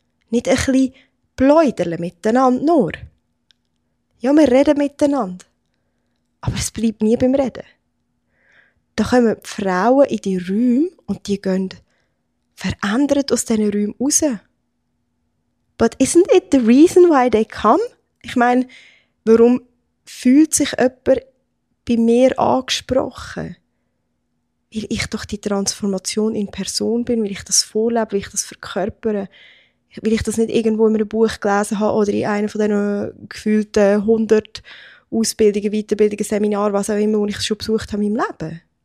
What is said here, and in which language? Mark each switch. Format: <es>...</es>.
<de>nicht ein bisschen pläudern miteinander nur. Ja, wir reden miteinander. Aber es bleibt nie beim Reden. Da kommen die Frauen in die Räume und die gehen verändert aus diesen Räumen raus.</de> <en>But isn't it the reason why they come?</en> <de>Ich meine, warum fühlt sich jemand bei mir angesprochen? Weil ich doch die Transformation in Person bin, weil ich das vorlebe, weil ich das verkörpere, weil ich das nicht irgendwo in einem Buch gelesen habe oder in einem von diesen gefühlten 100 Ausbildungen, Weiterbildungen, Seminaren, was auch immer, wo ich schon besucht habe in meinem Leben.</de>